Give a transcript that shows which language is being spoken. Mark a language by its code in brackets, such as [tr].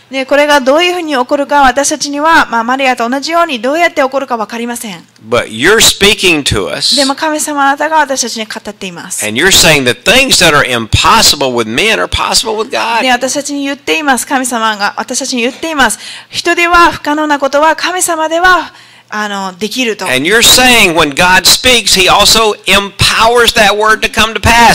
[ja] ね、これがどういうふうに起こるか、私たちには、まあ、マリアと同じようにどうやって起こるか分かりません。 [en] But you're speaking to us. [ja] でも神様、あなたが私たちに語っています。 [en] And you're saying that things that are impossible with men are possible with God. [ja] ね、私たちに言っています。神様が私たちに言っています。人では不可能なことは神様ではできると。 [en] And you're saying when God speaks, He also empowers that word to come to pass.